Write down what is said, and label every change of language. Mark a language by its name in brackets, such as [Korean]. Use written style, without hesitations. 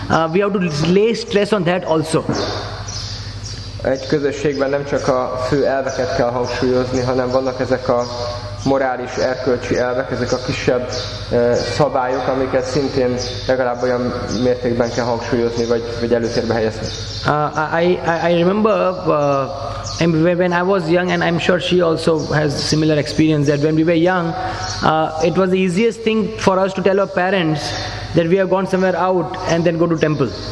[English] We have to lay stress on that also. [Hungarian] Egy közösségben nem csak a fő elveket kell hangsúlyozni, hanem vannak ezek a morális, erkölcsi elvek, ezek a kisebb szabályok, amiket szintén legalább olyan mértékben kell hangsúlyozni, vagy előtérbe helyezni. [English] I remember when I was young, and I'm sure she also has similar experience, that when we were young, it was the easiest thing for us to tell our parents that we have gone somewhere out and then go to temple.